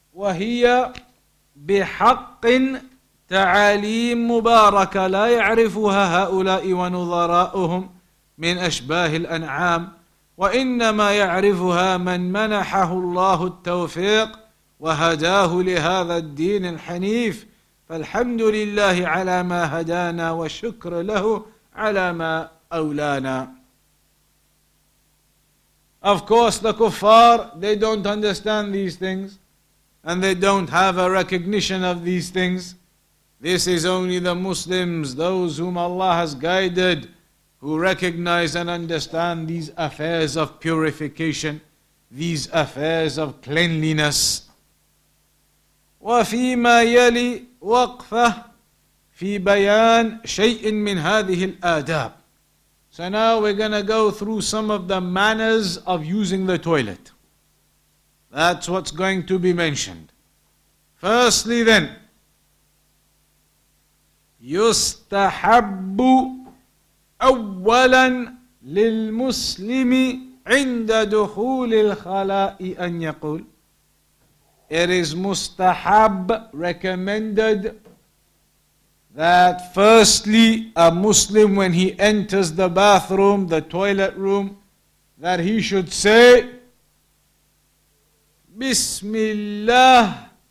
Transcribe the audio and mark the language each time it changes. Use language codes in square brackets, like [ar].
[ar] وهي بحق تعاليم مباركة لا يعرفها هؤلاء ونظراؤهم من أشباه الأنعام, وإنما يعرفها من منحه الله التوفيق وهداه لهذا الدين الحنيف. فالحمد لله على ما هدانا والشكر له على ما أولانا. [en] Of course the kuffar, they don't understand these things and they don't have a recognition of these things. This is only the Muslims, those whom Allah has guided, who recognize and understand these affairs of purification, these affairs of cleanliness. [ar] وفيما يلي وقفة في بيان شيء من هذه الآداب. [en] So now we're going to go through some of the manners of using the toilet. That's what's going to be mentioned. Firstly then, [ar] يستحب أولا للمسلم عند دخول الخلاء أن يقول. [en] It is mustahab, recommended, that firstly a Muslim, when he enters the bathroom, the toilet room, that he should say, [ar] بسم الله